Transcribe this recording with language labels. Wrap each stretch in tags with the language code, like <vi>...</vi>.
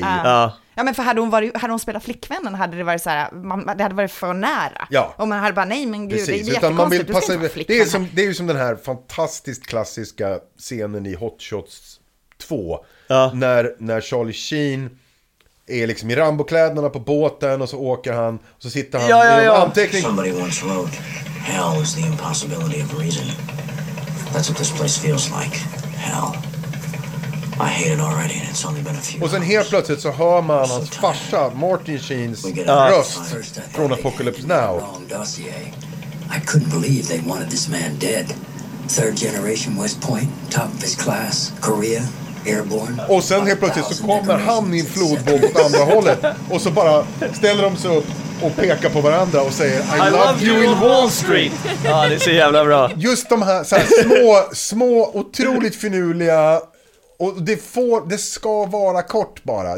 <sv>Ja, men för hade hon spelat flickvännen hade det varit så här, det hade varit för nära. Ja. Och man hade bara nej men gud, precis. Det är man vill passa, det är som den här fantastiskt klassiska scenen i Hot Shots 2. Ja. När Charlie Sheen är liksom i Rambo-kläderna på båten och så åker han och så sitter han i en anteckning.</sv> <en>Somebody once wrote, hell is the impossibility of reason. That's what this place feels like. Hell. I hate it already and it's only been a few.</en> <sv>Och sen helt plötsligt så hör man hans farsa Martin Sheens röst från Apocalypse Now.</sv> <en>I couldn't believe they wanted this man dead. Third generation West Point, top of his class, Korea. Airborne.</en> <sv>Och sen helt plötsligt så kommer han i en flodvåg åt andra hållet och så bara ställer de sig upp och pekar på varandra och säger</sv> <en>I love you</en> <sv>in Wall Street. Ja, ah, det är så jävla bra. Just de här, så här små otroligt finurliga, och det ska vara kort bara.</sv>